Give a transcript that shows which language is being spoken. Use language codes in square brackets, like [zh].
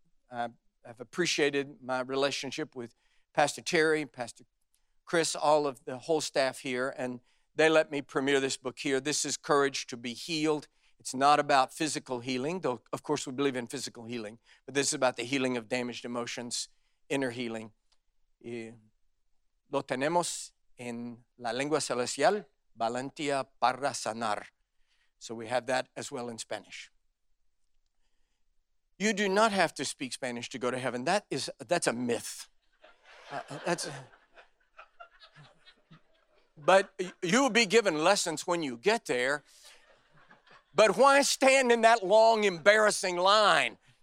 [en] I've appreciated my relationship with Pastor Terry, Pastor Chris, all of the whole staff here, and they let me premiere this book here. This is Courage to be Healed. It's not about physical healing, though of course we believe in physical healing, but this is about the healing of damaged emotions, inner healing. [es] Lo tenemos en la lengua celestial, valentía para sanar. [en] So we have that as well in Spanish. You do not have to speak Spanish to go to heaven. That's a myth. But you will be given lessons when you get there. But why stand in that long, embarrassing line?